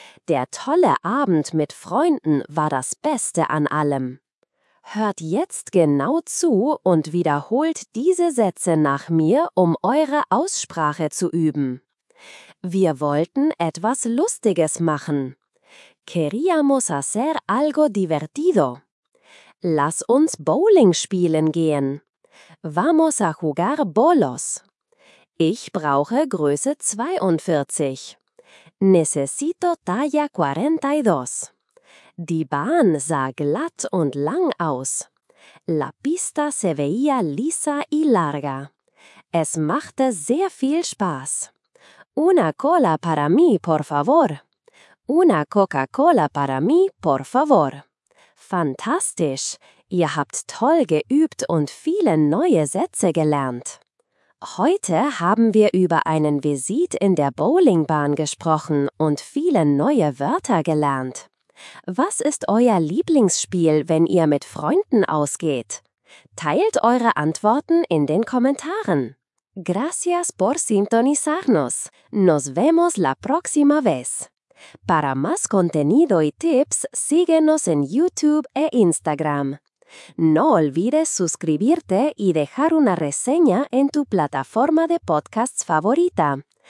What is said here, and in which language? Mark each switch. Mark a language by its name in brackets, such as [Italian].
[German] Der tolle Abend mit Freunden war das Beste an allem. Hört jetzt genau zu und wiederholt diese Sätze nach mir, um eure Aussprache zu üben. Wir wollten etwas Lustiges machen. [Spanish] Queríamos hacer algo divertido. [German] Lass uns Bowling spielen gehen. [Spanish] Vamos a jugar bolos. [German] Ich brauche Größe 42. [Spanish] Necesito talla 42. [German] Die Bahn sah glatt und lang aus. [Spanish] La pista se veía lisa y larga. [German] Es machte sehr viel Spaß. [Spanish] Una cola para mí, por favor. Una Coca-Cola para mí, por favor. [German] Fantastisch! Ihr habt toll geübt und viele neue Sätze gelernt. Heute haben wir über einen Visit in der Bowlingbahn gesprochen und viele neue Wörter gelernt. Was ist euer Lieblingsspiel, wenn ihr mit Freunden ausgeht? Teilt eure Antworten in den Kommentaren. [Spanish] Gracias por sintonizarnos. Nos vemos la próxima vez. Para más contenido y tips, síguenos en YouTube e Instagram. No olvides suscribirte y dejar una reseña en tu plataforma de podcasts favorita.